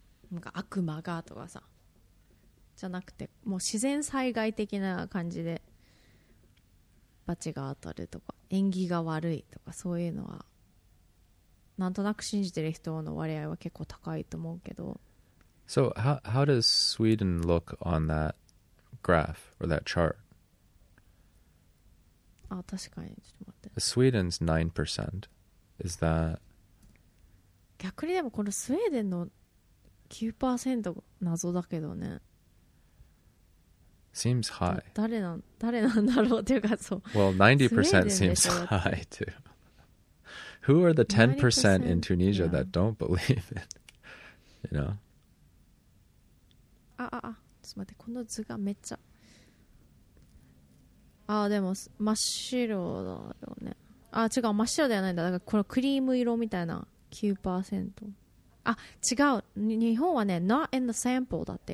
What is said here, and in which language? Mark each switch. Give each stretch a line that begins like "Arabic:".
Japanese: なんか悪魔がとかさ、じゃなくてもう自然災害的な感じで罰が当たるとか縁起が悪いとか、そういうのはなんとなく信じてる人の割合は結構高いと思うけど。
English: So how does Sweden look on that graph or that chart?
Japanese: あ、確かに、ちょっと待って。
English: Sweden's 9%. Is that
Japanese: 逆にでもこのスウェーデンの 9% 謎だけどね。
English: Seems high.
Japanese: 誰なんだろうっていうか、そう。
English: Well, 90% seems high too. Who are the 10% in Tunisia that don't believe it? You know?
Japanese: ああ、ちょっと待って、この図がめっちゃ。ああ、でも真っ白だよね。ああ、違う、真っ白ではないんだ。だからこのクリーム色みたいな。 9%。 あ、違う、日本はね
English: not in the sample
Japanese: だって。